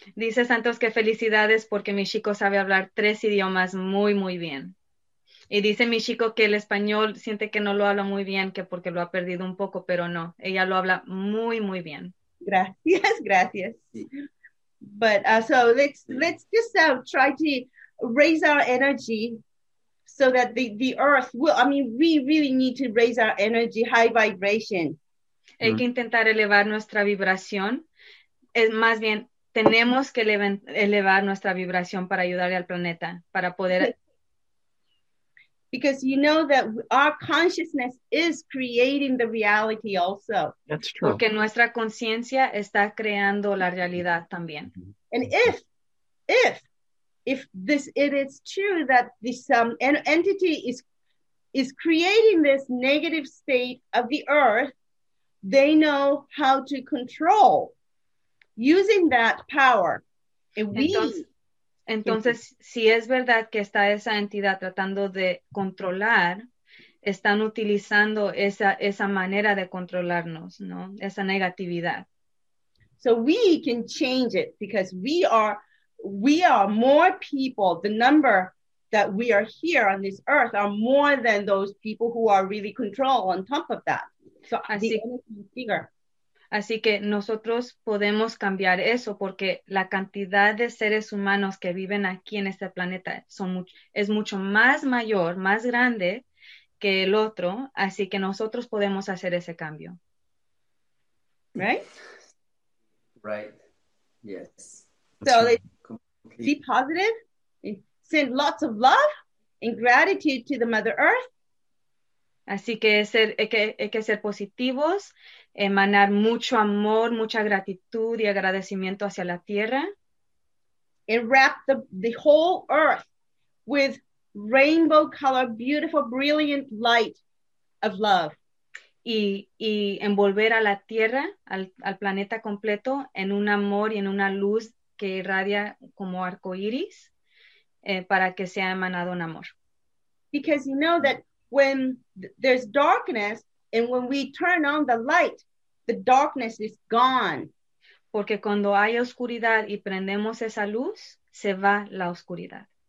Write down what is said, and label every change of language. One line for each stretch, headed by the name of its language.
Spanish: Dice Santos que felicidades porque mi chico sabe hablar 3 idiomas muy, muy bien. Y dice mi chico que el español siente que no lo habla muy bien, que porque lo ha perdido un poco, pero no, ella lo habla muy, muy bien. Gracias, gracias. Sí.
English: But so let's just try to raise our energy so that the earth will, we really need to raise our energy, high vibration.
Spanish: Hay que intentar elevar nuestra vibración. Es más bien, tenemos que elevar nuestra vibración para ayudarle al planeta, para poder...
English: Because you know that our consciousness is creating the reality also. That's true.
Spanish: Porque nuestra conciencia está creando la realidad también.
English: And if this it is true that this entity is creating this negative state of the earth, they know how to control using that power.
Spanish: Entonces, si es verdad que está esa entidad tratando de controlar, están utilizando esa manera de controlarnos, ¿no? Esa negatividad.
English: So we can change it because we are more people. The number that we are here on this earth are more than those people who are really control on top of that. So
Spanish: así,
English: the energy is bigger.
Spanish: Así que nosotros podemos cambiar eso porque la cantidad de seres humanos que viven aquí en este planeta es mucho más mayor, más grande que el otro. Así que nosotros podemos hacer ese cambio.
English: Right? Yes. Be positive, send lots of love and gratitude to the Mother Earth.
Spanish: Así que hay que ser positivos, emanar mucho amor, mucha gratitud y agradecimiento hacia la tierra.
English: And wrap the whole earth with rainbow color, beautiful, brilliant light of love.
Spanish: Y envolver a la tierra, al planeta completo, en un amor y en una luz que irradia como arco iris, para que sea emanado un amor.
English: Because you know that when there's darkness and when we turn on the light, the darkness is gone.
Spanish: Porque cuando hay oscuridad y prendemos esa luz, se va la oscuridad.